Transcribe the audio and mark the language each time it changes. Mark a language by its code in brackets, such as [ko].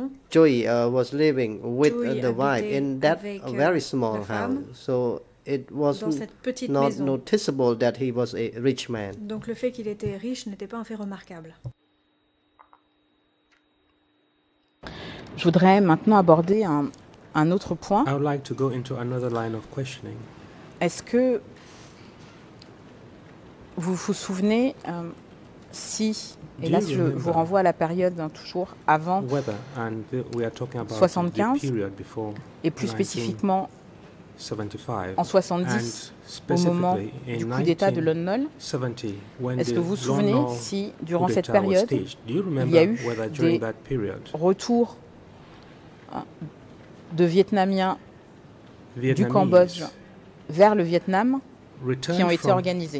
[en] Joey was living with the wife in that very small house. So it was not noticeable that he was a rich man. [fr] Donc le fait qu'il était riche n'était pas un fait remarquable. Je voudrais maintenant aborder un autre point. [en] I would like to go into another line of questioning. [fr] Est-ce que vous vous souvenez si, et là je vous renvoie à la période toujours avant 75, et plus spécifiquement 75, en 70, au moment du coup d'État de Lon Nol, est-ce que vous vous souvenez si durant cette période il y a eu des retours de Vietnamiens du Cambodge vers le Vietnam qui ont été organisés.